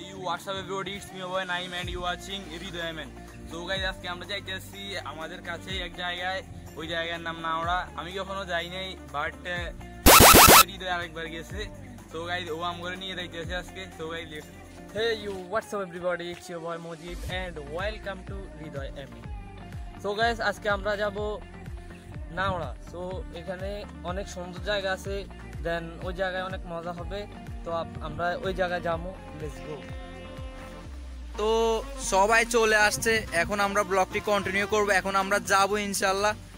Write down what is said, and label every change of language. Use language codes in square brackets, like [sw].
[en] WhatsApp everybody, it's me boy Naim and you watching Hridoy Mn. So guys, [bn] আজকে আমরা যাইতেছি আমাদের কাছেই এক জায়গায়, ওই জায়গার নাম নাওড়া। আমি কখনো যাই নাই, বাট Hridoy আরেকবার গেছে। [en] So guys, [bn] ও আম করে নিয়ে যাইতেছি আজকে। [en] So guys, let's Hey you, what's up everybody, it's your boy Mojib and welcome to Hridoy Mn. So guys, [bn] আজকে আমরা যাব নাওড়া। So এখানে অনেক সুন্দর জায়গা আছে, দেন ওই জায়গায় অনেক মজা হবে, তো আমরা ওই জায়গায় যাবো, লেটস গো। তো সবাই চলে আসছে, এখন আমরা ব্লগটি কন্টিনিউ করব, এখন আমরা যাব ইনশাল্লাহ।